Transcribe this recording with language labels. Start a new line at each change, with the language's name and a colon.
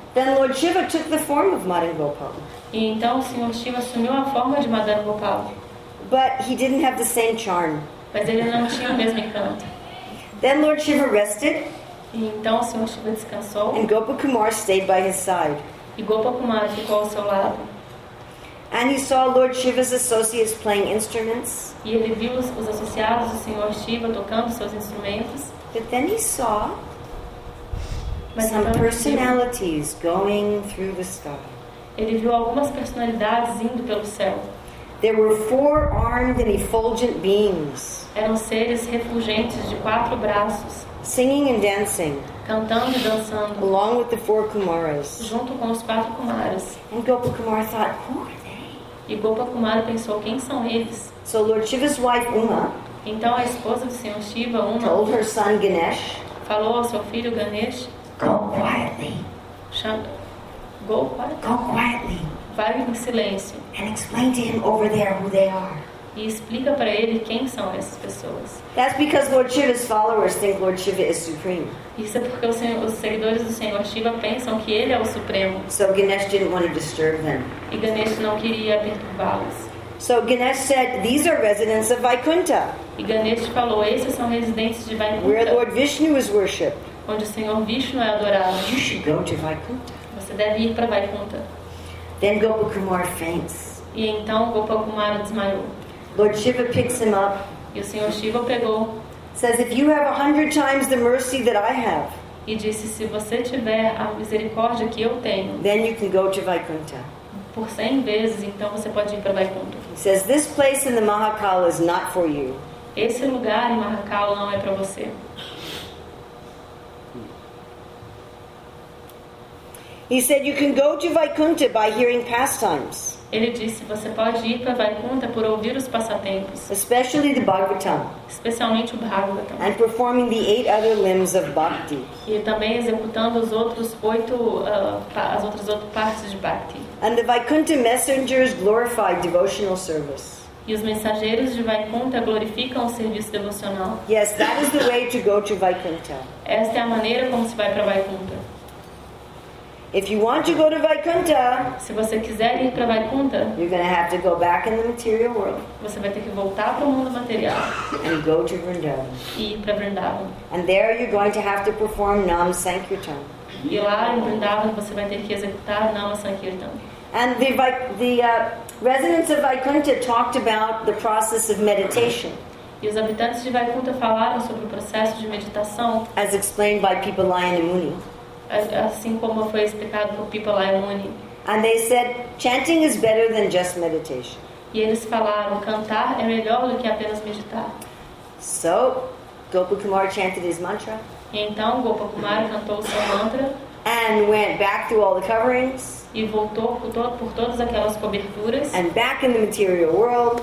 English: Then Lord Shiva took the form of Madan Gopal.
Portuguese: E então o Senhor Shiva assumiu a forma de Madan Gopal.
English: But he didn't have the same charm.
Portuguese: Mas ele não tinha o mesmo encanto.
English: Then Lord Shiva rested.
Portuguese: E então o Senhor Shiva descansou.
English: And Gopakumara stayed by his side.
Portuguese: E Gopakumara ficou ao seu lado.
English: And he saw Lord Shiva's associates playing instruments.
Portuguese: E ele viu os associados do Senhor Shiva tocando seus instrumentos.
English: But then he saw some personalities going through the sky.
Portuguese: Ele viu algumas personalidades indo pelo céu.
English: There were four armed and effulgent beings.
Portuguese: Eram seres refulgentes de quatro braços.
English: Singing and dancing.
Portuguese: Cantando e dançando.
English: Along with the four Kumaras.
Portuguese: Junto com os quatro Kumaras.
English: And Gopakumara thought, who are they?
Portuguese: E Gopakumara pensou, quem são eles?
English: So Lord Shiva's wife Uma.
Portuguese: Então a esposa do Senhor Shiva, Uma.
English: Told her son Ganesh.
Portuguese: Falou ao seu filho Ganesh.
English: Go quietly. Go quietly. Go quietly.
Portuguese: Vai em silêncio.
English: And explain to him over there who they are.
Portuguese: E explica para ele quem são essas pessoas.
English: That's because Lord Shiva's followers think Lord Shiva is supreme.
Portuguese: Isso é porque os seguidores do Senhor Shiva pensam que ele é o supremo.
English: So Ganesh didn't want to disturb them.
Portuguese: E Ganesh não queria perturbá-los.
English: So Ganesh said, "These are residents of Vaikuntha."
Portuguese: E Ganesh falou, "Esses são residentes de Vaikuntha."
English: Where Lord Vishnu is worshipped.
Portuguese: Onde o Senhor Vishnu é adorado.
English: You should go to Vaikuntha.
Portuguese: Você deve ir para Vaikuntha.
English: Then Gopakumara faints.
Portuguese: E então Gopakumara desmaiou.
English: Lord Shiva picks him up.
Portuguese: E o Senhor Shiva pegou.
English: Says, if you have 100 times the mercy that I have.
Portuguese: E disse, se você tiver a misericórdia que eu tenho.
English: Then you can go to Vaikuntha.
Portuguese: Por 100 vezes, então você pode ir para Vaikuntha.
English: Says, this place in the Mahakala is not for you.
Portuguese: Esse lugar em Mahakala não é para você.
English: He said, you can go to Vaikuntha by hearing pastimes.
Portuguese: Ele disse, você pode ir para Vaikuntha por ouvir os passatempos.
English: Especially the Bhagavatam.
Portuguese: Especialmente o Bhagavatam.
English: And performing the eight other limbs of Bhakti.
Portuguese: E também executando os outros oito, as outras oito partes de Bhakti.
English: And the Vaikuntha messengers glorify devotional service.
Portuguese: E os mensageiros de Vaikuntha glorificam o serviço devocional.
English: Yes, that is the way to go to Vaikuntha.
Portuguese: Esta é a maneira como se vai para Vaikuntha.
English: If you want to go to Vaikuntha,
Portuguese: se você quiser ir para Vaikuntha,
English: you're going to have to go back in the material world.
Portuguese: Você vai ter que voltar para o mundo material.
English: And go to Vrindavan.
Portuguese: E ir para Vrindavan.
English: And there you're going to have to perform Nama Sankirtan.
Portuguese: E lá em Vrindavan você vai ter que executar Nama Sankirtan.
English: And the residents of Vaikuntha talked about the process of meditation.
Portuguese: E os habitantes de Vaikuntha falaram sobre o processo de meditação,
English: as explained by Pipalaya Muni,
Portuguese: assim como foi explicado por Pipalaya Muni.
English: And they said, chanting is better than just meditation.
Portuguese: E eles falaram, cantar é melhor do que apenas meditar.
English: So, Gopakumar chanted his mantra.
Portuguese: Então, Gopakumar cantou seu mantra.
English: And went back through all the coverings.
Portuguese: E voltou por todas aquelas coberturas.
English: And back in the material world.